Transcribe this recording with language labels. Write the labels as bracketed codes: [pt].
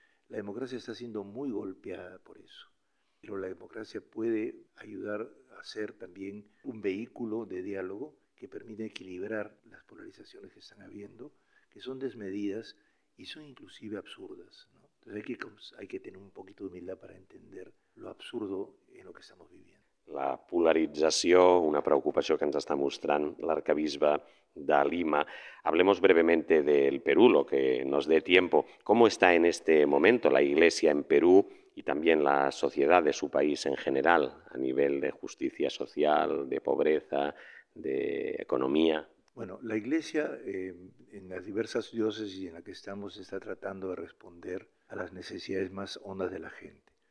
[es] La democracia está siendo muy golpeada por eso. Pero la democracia puede ayudar a ser también un vehículo de diálogo que permite equilibrar las polarizaciones que están habiendo, que son desmedidas y son inclusive absurdas, ¿no? Entonces hay que tener un poquito de humildad para entender lo absurdo en lo que estamos viviendo. [ca] La polarització, una preocupació que ens està mostrant l'arcabisbe de Lima. [es] Hablemos brevemente del Perú, lo que nos dé tiempo. ¿Cómo está en este momento la Iglesia en Perú y también la sociedad de su país en general, a nivel de justicia social, de pobreza, de economía? Bueno, la Iglesia, en las diversas diócesis en las que estamos, está tratando de responder a las necesidades más hondas de la gente.